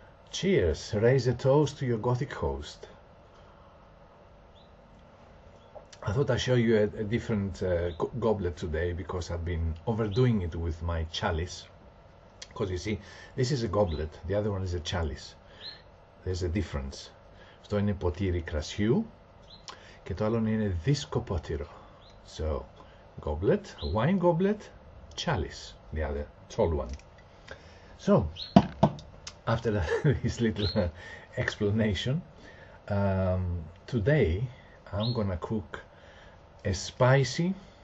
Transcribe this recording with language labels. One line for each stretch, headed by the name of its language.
English: Cheers, raise a toast to your Gothic host. I thought I'd show you a different goblet today because I've been overdoing it with my chalice. Because you see, this is a goblet, the other one is a chalice. There's a difference.
Greek: Αυτό είναι ποτήρι κρασιού και το άλλο είναι δίσκο ποτήρο.
English: So, goblet, wine goblet, chalice, the other, tall one. So, after this little explanation, today I'm gonna cook a spicy